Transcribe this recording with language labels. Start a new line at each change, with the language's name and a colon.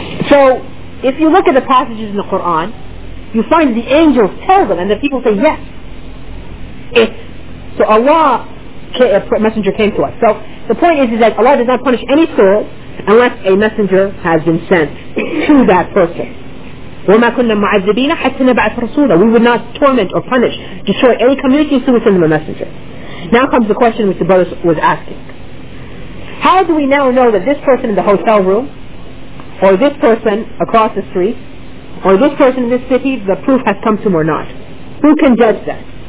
English: So, if you look at the passages in the Quran, you find the angels tell them, and the people say, yes. So Allah, a messenger came to us. So, the point is that Allah does not punish any soul unless a messenger has been sent to that person.
Arabic: وما كنا معذبين حتى نبعث رسولا.
English: We would not torment or punish, destroy any community until we send them a messenger. Now comes the question which the brother was asking. How do we now know that this person in the hotel room, or this person across the street, or this person in this city, the proof has come to him or not? Who can judge that?